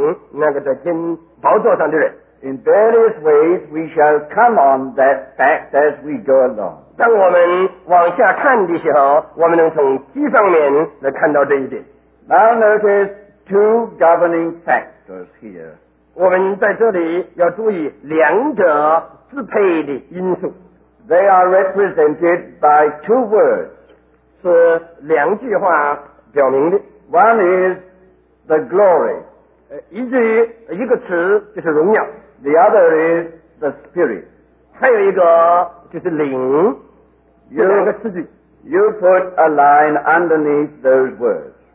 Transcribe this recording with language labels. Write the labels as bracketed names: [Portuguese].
[Chinese] 所以我们能够再一次说，结论里说，这里头所讲的一些，也都是说明那个在金宝座上的人。 [English] In various ways, we shall come on that fact as we go along. [Chinese] 当我们往下看的时候，我们能从几方面来看到这一点。 [English] Now notice two governing factors here. [Chinese] 我们在这里要注意两者支配的因素。 [English] They are represented by two words. [Chinese] 是两句话表明的。 [English] One is the glory. [Chinese] 一个词就是荣耀。 [English] The other is the spirit. [Chinese] 还有一个就是灵，这两个词句。 [English] You put a line underneath those words.